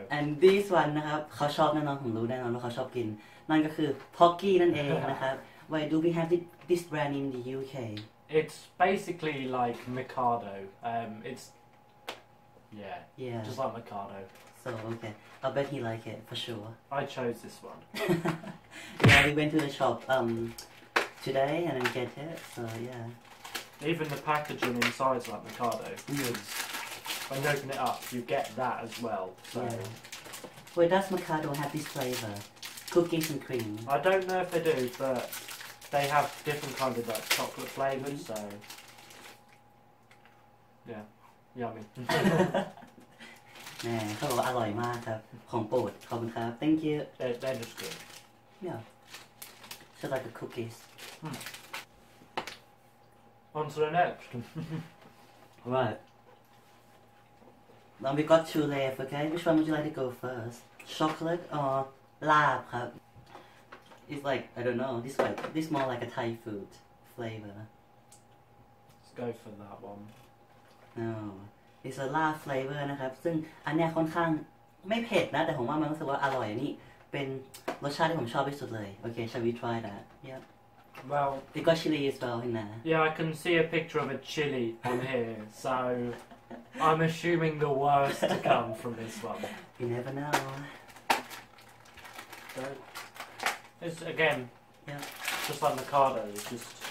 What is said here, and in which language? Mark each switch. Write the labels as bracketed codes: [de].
[en] And this one, [th] นะครับ เขาชอบแน่นอน ผมรู้แน่นอน ว่าเขาชอบกิน นั่นก็คือ Pocky นั่นเองนะครับ [en] Where do we have this brand in the UK? It's basically like Mikado. It's... Yeah. Yeah. Just like Mikado. So, okay. I bet he like it, for sure. I chose this one. Yeah, we went to the shop today and then get it, so yeah. Even the packaging inside is like Mikado. Yes. When you open it up, you get that as well, so... Yeah. Well, does Mikado have this flavour? Cookies and cream? I don't know if they do, but... They have different kinds of like chocolate flavors, so yeah, yummy. [th] Nah, เขาบอกว่าอร่อยมากครับของโปรดขอบคุณครับ [en] Thank you. They're just good. Yeah, just like the cookies. On to the next. Right. Now we got two left. Okay, which one would you like to go first? Chocolate or lab, ครับIt's like, I don't know, this is more like a Thai food flavour. Let's go for that one. No. It's a lard flavour, [th] นะครับซึ่งอันนี้ค่อนข้าง ไม่เผ็ดนะแต่ผมว่ามันรู้สึกว่าอร่อยนี่เป็นรสชาติที่ผมชอบที่สุดเลยโอเค [en] shall we try that yep well it got chili as well in there yeah I can see a picture of a chili on here so I'm assuming the worst to come from this one you never know so it's again yeah just like Mikado it's just